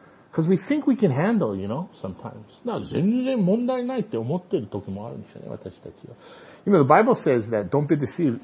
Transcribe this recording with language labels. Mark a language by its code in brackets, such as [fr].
[en] Because we think we can handle, you know, sometimes. [ja] No, 全然問題ないって思ってる時もあるんでしょうね、私たちは。 [en] You know, the Bible says that don't be deceived.